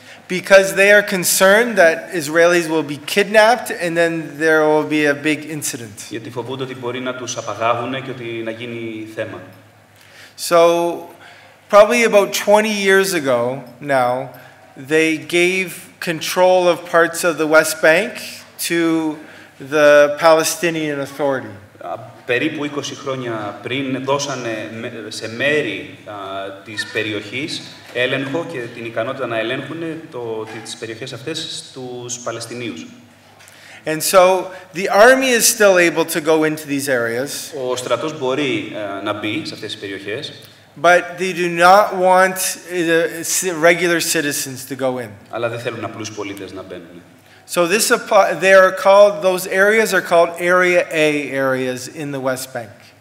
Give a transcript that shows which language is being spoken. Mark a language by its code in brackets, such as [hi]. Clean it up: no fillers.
[en] because they are concerned that Israelis will be kidnapped and then there will be a big incident. [el] Γιατί φοβούνται ότι μπορεί να τους απαγάγουν και ότι να γίνει θέμα. [en] So, probably about 20 years ago now, they gave control of parts of the West Bank to the Palestinian Authority. [el] Περίπου 20 χρόνια πριν δώσανε σε μέρη της περιοχής έλεγχο και την ικανότητα να ελέγχουν τις περιοχές αυτές στους Παλαιστινίους. [en] And so the army is still able to go into these areas. [el] Ο στρατός μπορεί να μπει σε αυτές τις περιοχές. [en] But they do not want regular citizens to go in. [el] Αλλά δεν θέλουν απλούς πολίτες να μπαίνουν. [en] So this they are called those areas are called Area A areas in the West Bank.